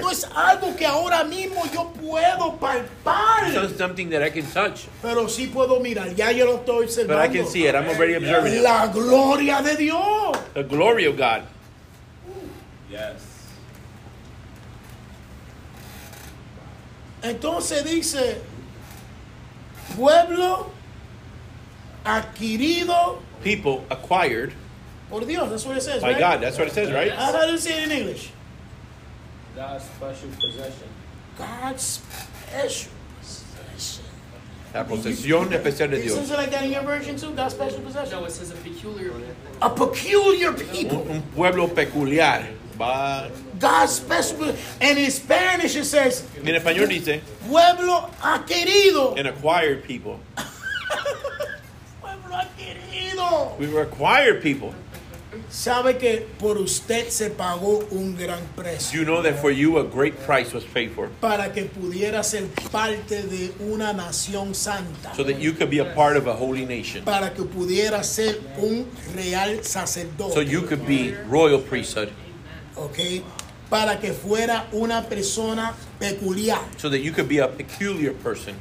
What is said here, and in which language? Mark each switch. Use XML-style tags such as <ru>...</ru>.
<es>No es algo que ahora mismo yo puedo palpar.</es> <en>It's not something that I can touch.</en> <es>Pero sí puedo mirar. Ya yo lo estoy observando.</es> <en>But I can see it. I'm already observing</en> <es>La gloria de Dios.</es> <en>The glory of God. Yes.</en> <es>Entonces dice pueblo adquirido,</es> <en>people acquired</en> <es>por Dios.</es> <en>That's what it says, by right? God. That's what it says, right? Yes. I didn't see it in English. God's special possession. God's special possession.</en> <es>La posesión especial de Dios.</es> <en>Isn't it like that in your version too? God's special possession. No, it says a peculiar. A peculiar people.</en> <es>Un pueblo peculiar.</es> <en>God's special,</en> <es>and in Spanish it says, en español dice, pueblo adquirido,</es> <en>and acquired people.</en> <es>Pueblo adquirido.</es> <en>We were acquired people.</en> <es>Sabe que por usted se pagó un gran precio.</es> <en>You know that for you a great price was paid for.</en> <es>Para que pudiera ser parte de una nación santa.</es> <en>So that you could be a part of a holy nation.</en> <es>Para que pudiera ser un real sacerdote.</es> <en>So you could be royal priesthood.</en> <es>Okay. Para que fuera una persona peculiar.</es> <en>So that you could be a peculiar person.</en>